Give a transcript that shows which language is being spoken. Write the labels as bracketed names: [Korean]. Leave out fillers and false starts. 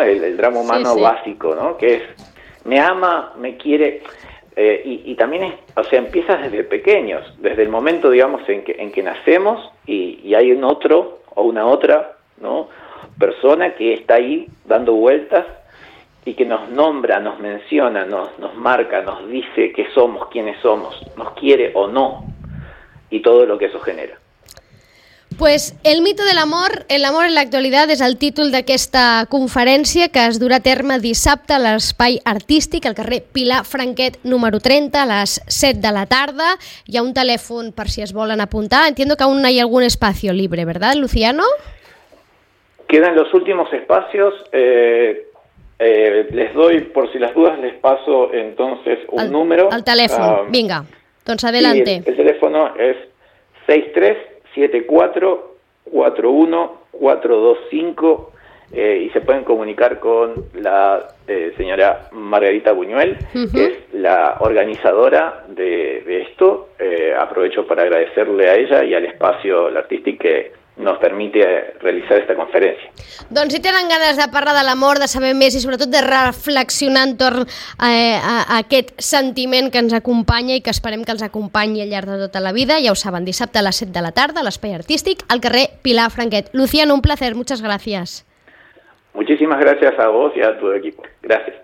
[Spanish] El drama humano básico, ¿no? Que es, me ama, me quiere, y también es, o sea, empiezas desde pequeños, desde el momento, digamos, en que nacemos y hay un otro o una otra, ¿no? Persona que está ahí dando vueltas y que nos nombra, nos menciona, nos marca, nos dice qué somos, quiénes somos, nos quiere o no, y todo lo que eso genera. Pues el mito de [Catalan] l'amor, [Spanish] el amor [Catalan] en l'actualitat, és el títol d'aquesta conferència que es durà a terme dissabte a l'Espai Artístic, al carrer Pilar Franquet, número 30, a les 7 de la tarda. Hi ha un telèfon per si es volen apuntar. [Spanish] Entiendo que aún hay algún espacio libre, ¿verdad, Luciano? Quedan los últimos espacios. Les doy, por si las dudas, les paso entonces un número. [Catalan] El telèfon, vinga. Doncs [Spanish] adelante. [Catalan] El telèfon és [Spanish] 63-74-41-425 y se pueden comunicar con la señora Margarita Buñuel, uh-huh. que es la organizadora de esto. Aprovecho para agradecerle a ella y al espacio Artístic que nos permite realizar esta conferencia. [Catalan] Doncs si tenen ganes de parlar de l'amor, de saber més i sobretot de reflexionar entorn a aquest sentiment que ens acompanya i que esperem que els acompanyi al llarg de tota la vida, ja ho saben, dissabte a les 7 de la tarda a l'Espai Artístic, al carrer Pilar Franquet. [Spanish] Luciano, un placer, muchas gracias. Muchísimas gracias a vos y a tu equipo. Gracias.